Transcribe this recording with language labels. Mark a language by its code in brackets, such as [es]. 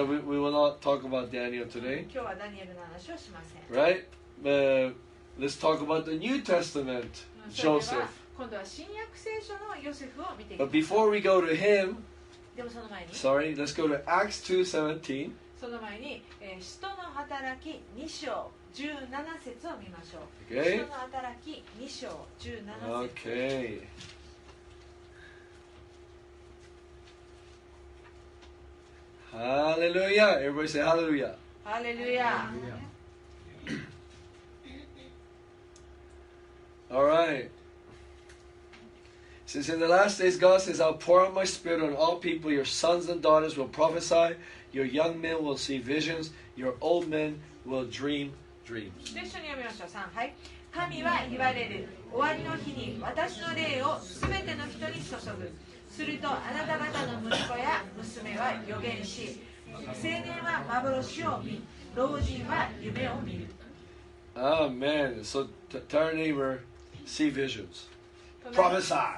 [en] But we will not talk about Daniel today. [ja] 今日はダニエルの話をしません。 [en] Right?、let's talk about the New Testament Joseph. [ja] 今度は新約聖書のヨセフを見ていきます。 [en] But before we go to him. Sorry, let's go to Acts 2:17. [ja] その前に、使徒の働き2章17節を見ましょう。 [en] Okay. [ja] 使徒の働き2章17節。 [en] Okay. Hallelujah! Everybody say Hallelujah. Hallelujah. All right. Since in the last days God says, I'll pour out my spirit on all people, your sons and daughters will prophesy, your young men will see visions, your old men will dream dreams. [ja] 一緒に読みましょう。3、はい。神は言われる。終わりの日に私の霊を全ての人に注ぐ。するとあなた方の息子や娘は予言し、青年は幻を見、老人は夢を見る。 [en] Amen. So tell your neighbor, see visions. Prophesy.